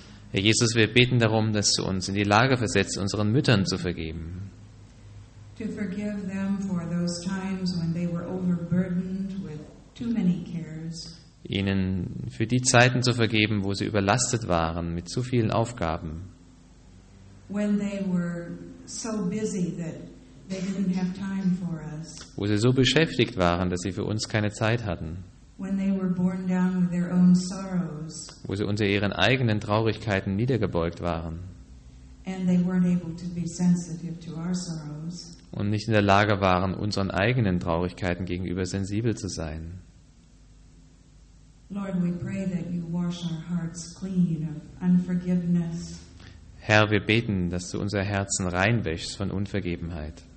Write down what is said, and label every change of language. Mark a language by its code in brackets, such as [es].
[de] Herr Jesus, wir beten darum, dass du uns in die Lage versetzt, unseren Müttern zu vergeben. [en] To forgive them for those times when they were overburdened with too many cares. [de] Ihnen für die Zeiten zu vergeben, wo sie überlastet waren mit zu vielen Aufgaben. [en] When they were so busy that they didn't have time for us. [de] Wo sie so beschäftigt waren, dass sie für uns keine Zeit hatten. [en] When they were borne down with their own sorrows. [de] Wo sie unter ihren eigenen Traurigkeiten niedergebeugt waren. [en] And they weren't able to be sensitive to our sorrows. [de] Und nicht in der Lage waren, unseren eigenen Traurigkeiten gegenüber sensibel zu sein. [en] Lord, we pray that you wash our hearts clean of unforgiveness. [de] Herr, wir beten, dass du unser Herzen reinwäschst von Unvergebenheit